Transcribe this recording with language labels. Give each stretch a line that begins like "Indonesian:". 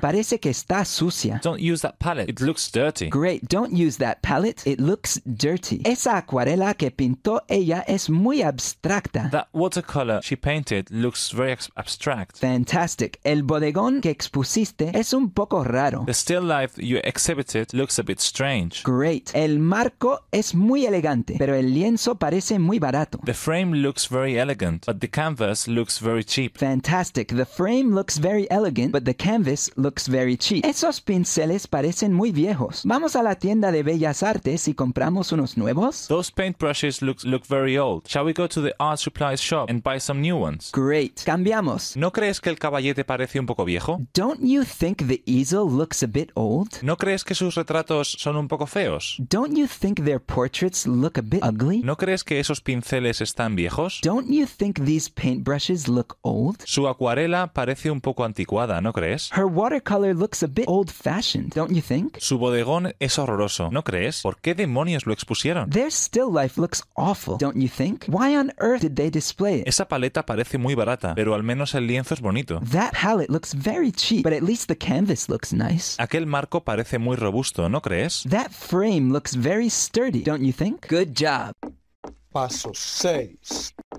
Spanish: Parece que está sucia.
English: Don't use that palette. It looks dirty. Great. Don't use that palette. It looks dirty.
Spanish: Esa acuarela que pintó ella es muy abstracta.
English: That watercolor she painted looks very abstract. Fantastic.
Spanish: El bodegón que expusiste es un poco raro.
English: The still life you exhibited looks a bit strange. Great.
Spanish: El marco es muy elegante, pero el lienzo parece muy barato.
English: The frame looks very elegant, but the canvas looks very cheap. Fantastic. The frame looks very elegant, but the canvas looks very cheap.
Spanish: Esos pinceles parecen muy viejos. ¿Vamos a la tienda de bellas artes y compramos unos nuevos?
English: Those paintbrushes look very old. Shall we go to the art supplies shop and buy some new ones?
Spanish: Great. Cambiamos. ¿No crees que el caballete parece un poco viejo?
English: Don't you think the easel looks a bit old?
Spanish: ¿No crees que sus retratos son un poco feos?
English: Don't you think their portraits look a bit ugly?
Spanish: ¿No crees que esos pinceles están viejos?
English: Don't you think these paintbrushes look old?
Spanish: Su acuarela parece un poco anticuada, ¿no crees?
English: Her watercolor looks a bit old-fashioned, don't you think?
Spanish: Su bodegón es horroroso, ¿no crees? ¿Por qué demonios lo expusieron?
English: Their still life looks awful, don't you think? Why on earth did they display it?
Spanish: Esa paleta parece muy barata, pero al menos el lienzo es bonito.
English: That palette looks very cheap, but at least the canvas looks nice.
Spanish: Aquel marco parece muy robusto, ¿no crees?
English: That frame looks very sturdy, don't you think? Good job.
Spanish: Paso 6.